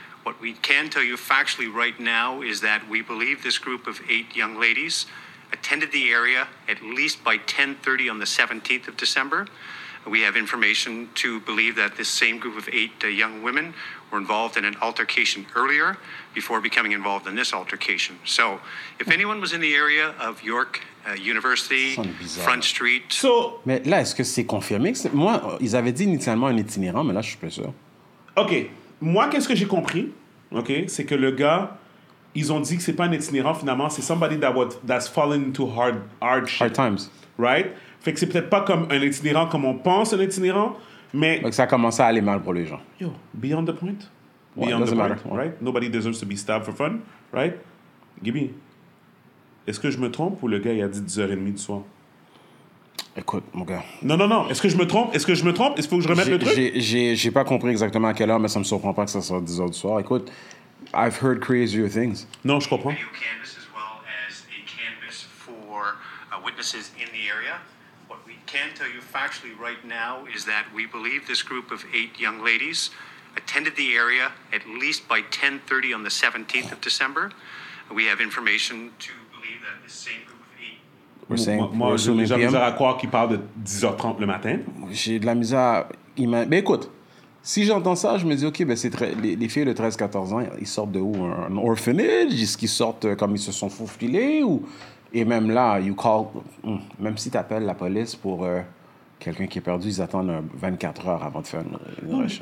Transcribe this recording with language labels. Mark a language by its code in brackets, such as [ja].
[en] What we can tell you factually right now is that we believe this group of eight young ladies attended the area at least by 10:30 on the 17th of December. We have information to believe that this same group of eight young women were involved in an altercation earlier before becoming involved in this altercation. So if anyone was in the area of York University, Front Street... [fr] So, mais là, est-ce que c'est confirmé? Moi, ils avaient dit initialement un itinérant, mais là, je suis pas sûr. OK. Moi, qu'est-ce que j'ai compris? OK. C'est que le gars... Ils ont dit que c'est pas un itinérant, finalement. C'est [en] somebody that would, that's fallen into hardship. Hard times. Right? [fr] Fait que c'est peut-être pas comme un itinérant comme on pense un itinérant, mais... Donc ça a commencé à aller mal pour les gens. [en] Yo, beyond the point. Beyond the point, matter. Right? Nobody deserves to be stabbed for fun, right? [fr] Gibby, est-ce que je me trompe ou le gars, il a dit 10h30 du soir? Écoute, mon gars... Non, non, non. Est-ce que je me trompe? Est-ce que je me trompe? Est-ce qu'il faut que je remette le truc? J'ai pas compris exactement à quelle heure, mais ça me surprend pas que ça soit 10h du soir. Écoute... [en] I've heard crazier things. [fr] Non, je comprends. [en] Video canvas as well as a canvas for witnesses in the area. What we can tell you factually right now is that we believe this group of eight young ladies attended the area at least by 10:30 on the 17th of December. We have information to believe that the same group of eight... We're saying... [fr] Moi, j'ai de la misère à croire qu'il parle de 10h30 le matin. J'ai de la misère... Mais écoute... Si j'entends ça, je me dis, OK, ben c'est les filles de 13-14 ans, ils sortent de où? Un orphanage? Est-ce qu'ils sortent comme ils se sont faufilés? Ou... Et même là, [en] you call, [fr] même si tu appelles la police pour quelqu'un qui est perdu, ils attendent 24 heures avant de faire une recherche.